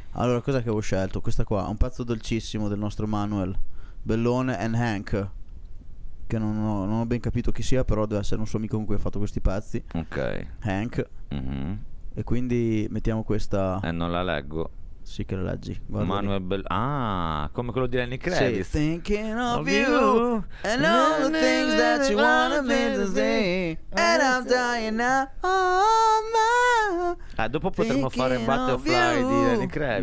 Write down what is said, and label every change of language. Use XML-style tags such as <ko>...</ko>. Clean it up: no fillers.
<it>Allora, cos'è che avevo scelto? Questa qua, un pezzo dolcissimo del nostro Manuel Bellone and Hank. Che non ho ben capito chi sia, però deve essere un suo amico con cui ha fatto questi pezzi. Ok. Hank. Mm-hmm. E quindi mettiamo questa. Non la leggo. Sì che lo leggi. Manuel come quello di Lenny Kravitz. Sì.</it> <en>Thinking of you and all the things that you wanna me to say and I'm dying now. Oh my.</en> <it>Dopo potremmo fare un Butterfly di Lenny Kravitz.</it>